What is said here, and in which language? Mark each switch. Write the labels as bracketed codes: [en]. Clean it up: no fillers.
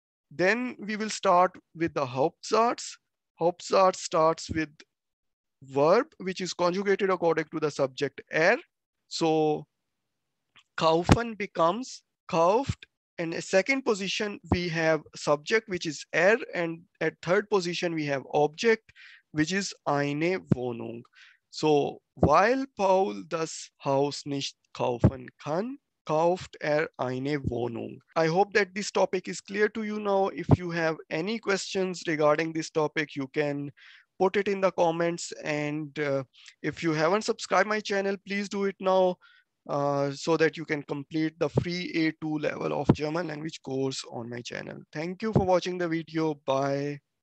[en] Then we will start with the Hauptsatz. Hauptsatz starts with verb, which is conjugated according to the subject So kaufen becomes kauft. And a second position, we have subject, which is and at third position, we have object, which is eine Wohnung. [de] So weil Paul das Haus nicht kaufen kann, kauft eine Wohnung. [en] I hope that this topic is clear to you now. If you have any questions regarding this topic, you can put it in the comments. And if you haven't subscribed my channel, please do it now so that you can complete the free A2 level of German language course on my channel. Thank you for watching the video. Bye.